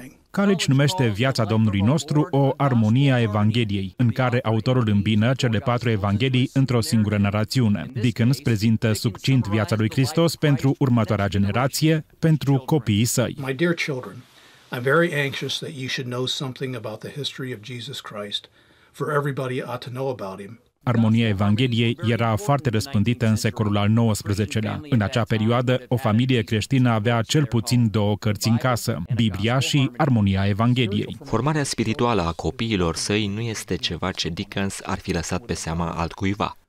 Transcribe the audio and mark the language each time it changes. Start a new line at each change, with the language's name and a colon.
Romanian: Coleridge numește Viața Domnului nostru o armonie a Evangheliei, în care autorul îmbină cele 4 Evanghelii într-o singură narațiune. Dickens prezintă succint viața lui Hristos pentru următoarea generație, pentru copiii săi.
English: My dear children, I'm very anxious that you should know something about the history of Jesus Christ, for everybody ought to know about him.
Romanian: Armonia Evangheliei era foarte răspândită în secolul al XIX-lea. În acea perioadă, o familie creștină avea cel puțin 2 cărți în casă, Biblia și Armonia Evangheliei. Formarea spirituală a copiilor săi nu este ceva ce Dickens ar fi lăsat pe seama altcuiva.